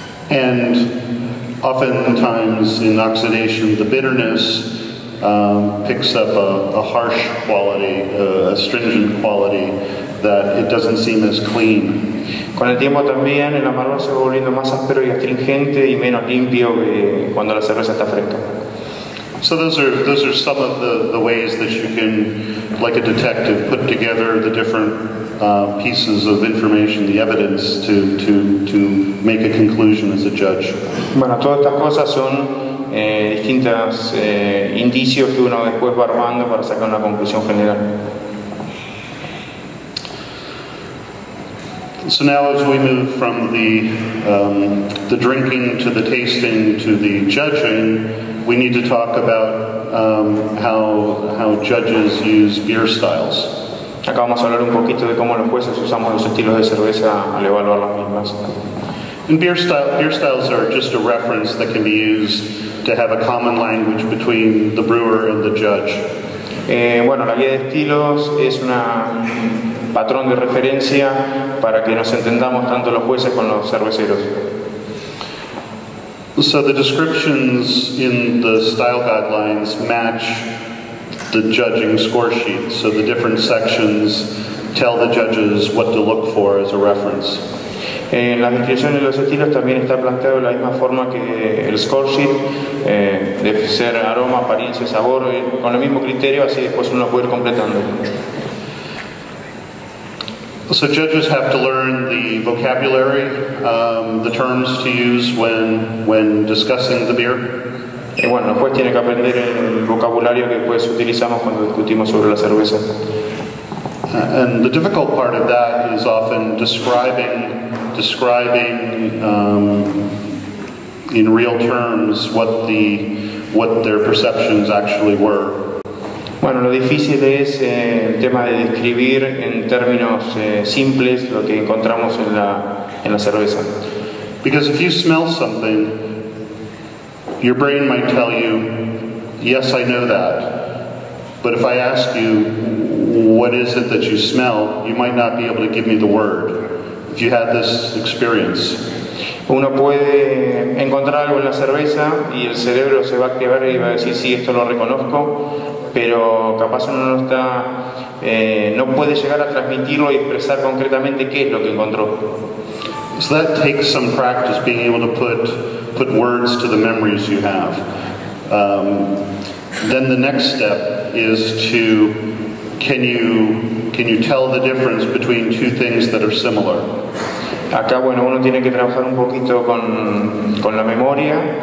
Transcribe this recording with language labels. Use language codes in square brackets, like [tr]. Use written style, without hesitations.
[en] And oftentimes in oxidation, the bitterness picks up a harsh quality, a astringent quality, that it doesn't seem as clean. [es] Con el tiempo también el amargor se va volviendo más áspero y astringente y menos limpio que cuando la cerveza está fresca. [en] So those are some of the ways that you can, like a detective, put together the different pieces of information, the evidence, to make a conclusion as a judge. [es] Bueno, todas estas cosas son distintas indicios que uno después va armando para sacar una conclusión general. [en] So now, as we move from the drinking to the tasting to the judging, we need to talk about how judges use beer styles. [es] Acá vamos a hablar un poquito de cómo los jueces usamos los estilos de cerveza al evaluar las mismas. [en] And beer styles are just a reference that can be used to have a common language between the brewer and the judge. [es] Bueno, la guía de estilos es una patrón de referencia para que nos entendamos tanto los jueces como los cerveceros. [en] So the descriptions in the style guidelines match the judging score sheet. So the different sections tell the judges what to look for as a reference. [es] En las descripciones de los estilos también está planteado de la misma forma que el score sheet, de ser aroma, apariencia, sabor, con el mismo criterio, así después uno puede ir completando. [en] So judges have to learn the vocabulary, the terms to use when discussing the beer. [es] Y bueno, el juez tiene que aprender el vocabulario que después utilizamos cuando discutimos sobre la cerveza. [en] And the difficult part of that is often describing in real terms what their perceptions actually were. [es] Bueno, lo difícil es el tema de describir en términos simples lo que encontramos en la cerveza. [en] Because if you smell something, your brain might tell you, yes, I know that. But if I ask you, what is it that you smell, you might not be able to give me the word. If you had this experience. [es] Uno puede encontrar algo en la cerveza y el cerebro se va a activar y va a decir, sí, esto lo reconozco. Pero capaz uno no está, no puede llegar a transmitirlo y expresar concretamente qué es lo que encontró. [en] So that takes some practice, being able to put words to the memories you have. Then the next step is to, can you tell the difference between two things that are similar? [es] Acá, bueno, uno tiene que trabajar un poquito con la memoria.